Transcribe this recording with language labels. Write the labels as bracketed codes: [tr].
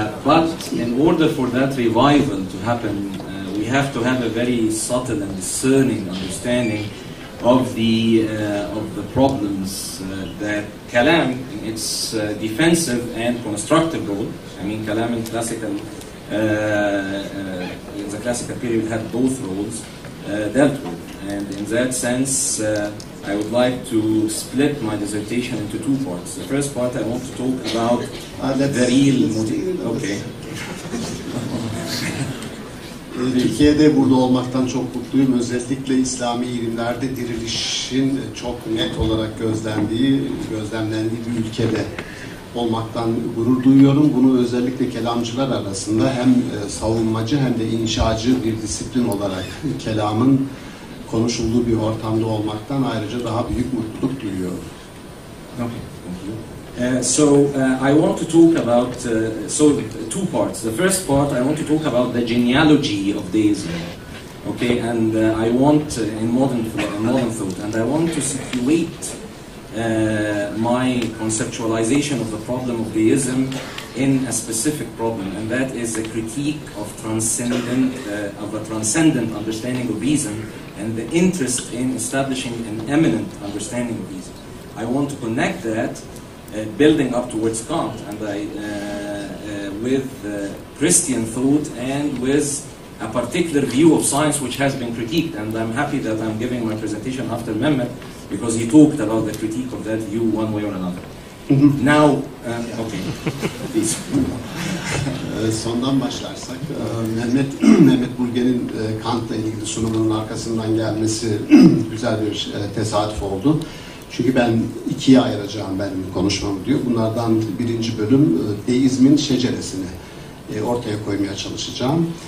[en] But in order for that revival to happen, we have to have a very subtle and discerning understanding of the problems that Kalam, in its defensive and constructive role, I mean Kalam in classical in the classical period had both roles dealt with, and in that sense I would like to split my dissertation into two parts. The first part I want to talk about the real okay. [tr] Türkiye'de burada olmaktan çok mutluyum. Özellikle İslami ilimlerde dirilişin çok net olarak gözlemlendiği bir ülkede olmaktan gurur duyuyorum. Bunu özellikle kelamcılar arasında hem savunmacı hem de inşacı bir disiplin olarak kelamın konuşulduğu bir ortamda olmaktan ayrıca daha büyük mutluluk duyuyorum. [en] Okay. So I want to talk about two parts. The first part, I want to talk about the genealogy of deism. Okay, and I want in modern thought, and I want to situate my conceptualization of the problem of deism in a specific problem, and that is the critique of a transcendent understanding of reason and the interest in establishing an immanent understanding of reason. I want to connect that, building up towards Kant, and with Christian thought and with a particular view of science which has been critiqued, and I'm happy that I'm giving my presentation after Mehmet, because he talked about the critique of that view one way or another. Mm-hmm. Now, okay, please. [tr] Sondan başlarsak, Mehmet, Mehmet Burgen'in Kant'la ilgili sunumunun arkasından gelmesi güzel bir tesadüf oldu. Çünkü ben ikiye ayıracağım benim konuşmamı diyor. Bunlardan birinci bölüm deizmin şeceresini ortaya koymaya çalışacağım.